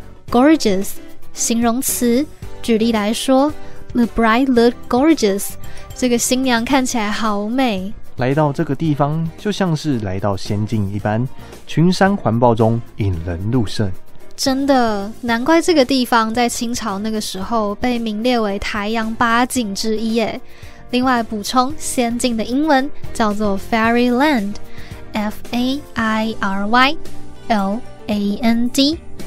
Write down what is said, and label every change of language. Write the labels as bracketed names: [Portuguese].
[Chinese] Gorgeous， 形容词。举例来说 [English] ，The bride looked gorgeous。 [Chinese] 这个新娘看起来好美。来到这个地方，就像是来到仙境一般，群山环抱中引人入胜。真的，难怪这个地方在清朝那个时候被名列为台洋八景之一耶。另外补充，仙境的英文叫做 Fairyland，F-A-I-R-Y-L-A-N-D。